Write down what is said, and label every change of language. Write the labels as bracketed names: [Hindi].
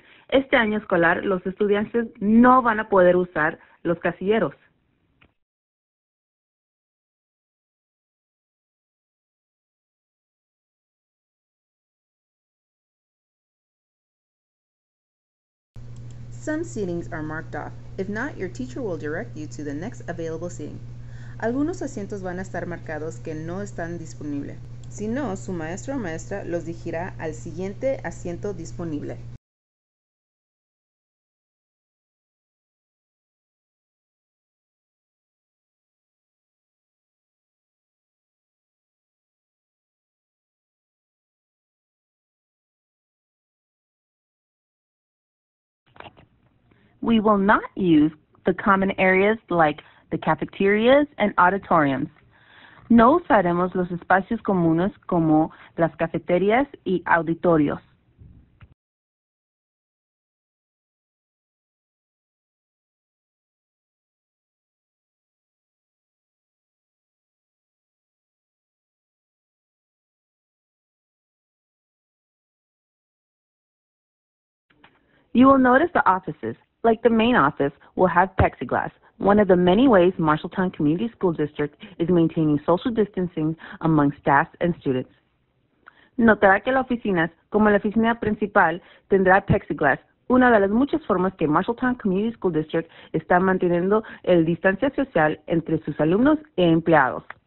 [Spanish] Este año escolar, los estudiantes no van a poder usar los casilleros. [English] Some seatings are marked off. If not, your teacher will direct you to the next available seating. [Spanish] Algunos asientos van a estar marcados que no están disponibles. Si no, su maestro o maestra los dirigirá al siguiente asiento disponible. [English] We will not use the common areas like the cafeterias and auditoriums. [Spanish] No usaremos los espacios comunes como las cafeterías y auditorios. [English] You will notice the offices, like the main office, will have plexiglass, one of the many ways Marshalltown Community School District is maintaining social distancing among staff and students. [Spanish] Notará que las oficinas, como la oficina principal, tendrá plexiglass, una de las muchas formas que Marshalltown Community School District está manteniendo el distancia social entre sus alumnos e empleados.